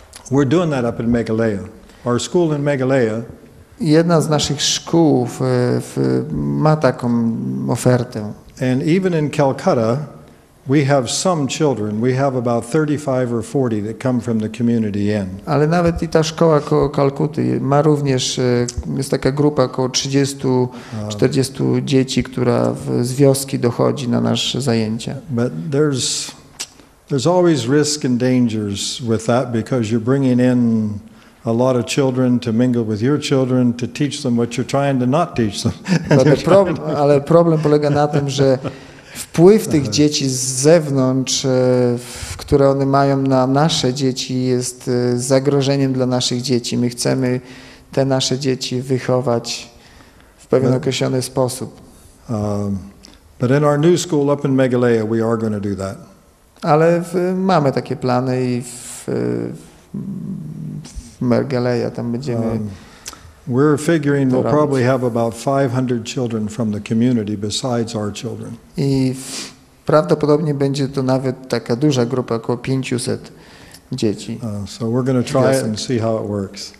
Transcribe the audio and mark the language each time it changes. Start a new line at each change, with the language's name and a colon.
English: We're doing that up in Meghalaya. Our school in Meghalaya.
Polish: Jedna z naszych szkół ma taką ofertę.
English: And even in Calcutta, we have some children. We have about 35 or 40 that come from the community in.
Polish: Ale nawet i ta szkoła koło Kalkuty ma również, jest taka grupa około 30-40 dzieci, która z wioski dochodzi na nasze zajęcia.
English: But there's always risk and dangers with that, because you're bringing in a lot of children to mingle with your children to teach them what you're trying to not teach them.
Polish: Ale problem polega na tym, że wpływ tych dzieci z zewnątrz, które one mają na nasze dzieci, jest zagrożeniem dla naszych dzieci. My chcemy te nasze dzieci wychować w pewien określony sposób.
English: But in our new school up in Meghalaya, we are going to do that.
Polish: Ale mamy takie plany i w Meghalaya tam będziemy.
English: We're figuring we'll probably have about 500 children from the community besides our children.
Polish: I prawdopodobnie będzie to nawet taka duża grupa, około 500 dzieci.
English: So we're going to try it and see how it works.